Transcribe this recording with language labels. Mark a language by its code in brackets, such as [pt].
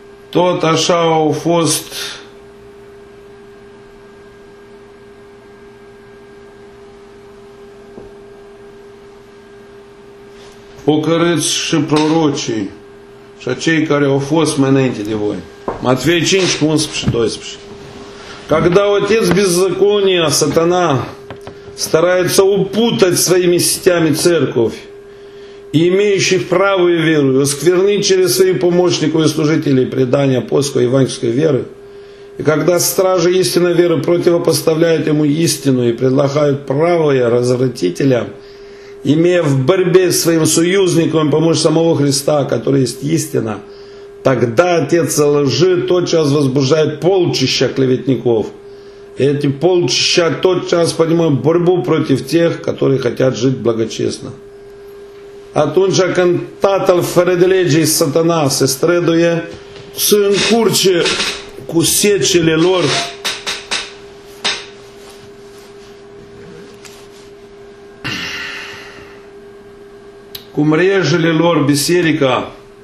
[ro] Tot așa au fost ocărâți și prorocii și cei care au fost mai înainte de voi. Matvei 5, 11 și 12. [ru] Когда отец беззакония, сатана, старается упутать своими сетями церковь и имеющих правую веру, осквернить через своих помощников и служителей предания апостольской и евангельской веры, и когда стражи истинной веры противопоставляют ему истину и предлагают правое развратителя, имея в борьбе с своим союзником помощь самого Христа, который есть истина, тогда отец лжи тотчас возбуждает полчища клеветников. Эти полчища тотчас поднимают борьбу против тех, которые хотят жить благочестно. [ro] Atunci când tatăl fără de lege și satana se străduie să încurce cu secele lor cu mrejele lor biserica